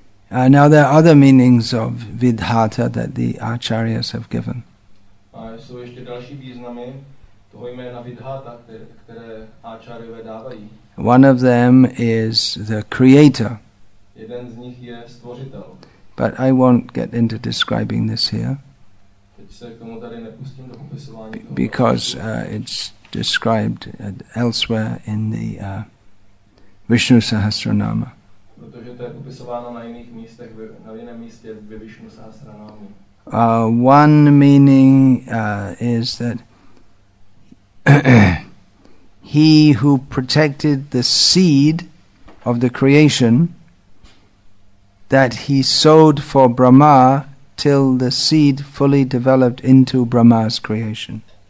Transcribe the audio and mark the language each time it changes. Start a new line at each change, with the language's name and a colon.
English: Now there are other meanings of vidhata that the acharyas have given.
Czech: Jsou ještě další významy toho jména vidhata, které acharyové dávají.
English: One of them is the creator.
Czech: Jeden z nich je stvořitel.
English: But I won't get into describing this here.
Czech: Teď se k tomu tady nepustím do popisování.
English: Because it's described elsewhere in the Vishnu Sahasranama.
Czech: Protože to je popisováno na jiných místech, na jiném místě ve Vishnu Sahasranamu.
English: One meaning is that he who protected the seed of the creation, that he sowed for Brahma till the seed fully developed into Brahma's creation.